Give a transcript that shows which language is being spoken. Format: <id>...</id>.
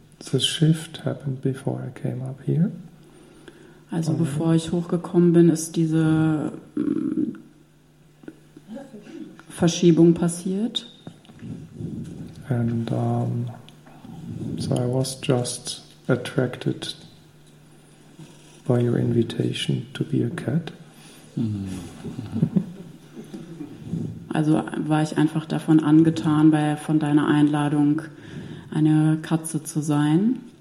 <en>The shift happened before I came up here.</en> <de>Also bevor ich hochgekommen bin, ist diese Verschiebung passiert.</de> <en>And so I was just attracted by your invitation to be a cat.</en> <de>Also war ich einfach davon angetan von deiner Einladung, eine Katze zu sein.</de>